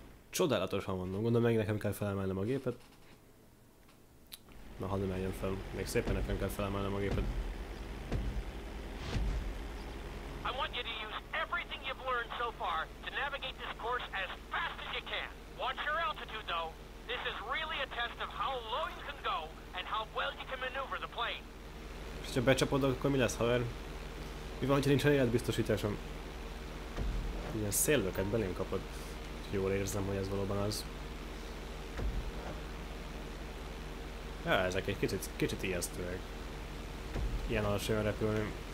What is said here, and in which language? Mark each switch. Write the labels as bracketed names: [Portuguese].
[Hungarian] Csodálatosan mondom, gondolom meg nekem kell felemelnem a gépet. Na, hadd emeljem fel, még szépen nekem kell felemelnem a gépet. [English] I want you to use everything you've learned so far to navigate this course as fast as you can. Watch your altitude though. This is really a test of how low you can go and how well you can maneuver the plane. [Hungarian] És ha becsapodok, akkor mi lesz, haver? Mi van, hogyha nincs életbiztosításom? Ilyen széllöket belém kapott. Jól érzem, hogy ez valóban az. Ja, ezek egy kicsit ijesztőek. Ilyen alacsonyan repülni.